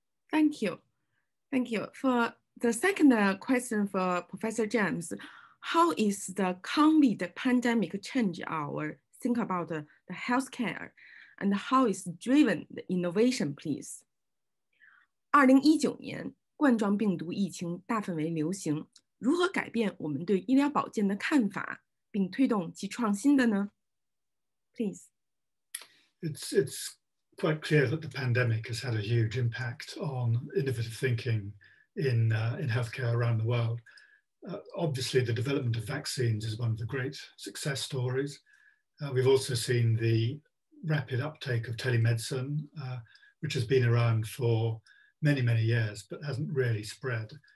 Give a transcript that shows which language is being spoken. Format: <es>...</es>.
<en>Thank you. Thank you. For the second question for Professor James, how is the COVID pandemic change our think about the healthcare, and how is driven the innovation, please?</en> <zh>2019年冠状病毒疫情大范围流行，如何改变我们对医疗保健的看法，并推动其创新的呢？</zh> <en>Please. It's quite clear that the pandemic has had a huge impact on innovative thinking in healthcare around the world. Obviously, the development of vaccines is one of the great success stories. We've also seen the rapid uptake of telemedicine, which has been around for many, many years, but hasn't really spread.</en>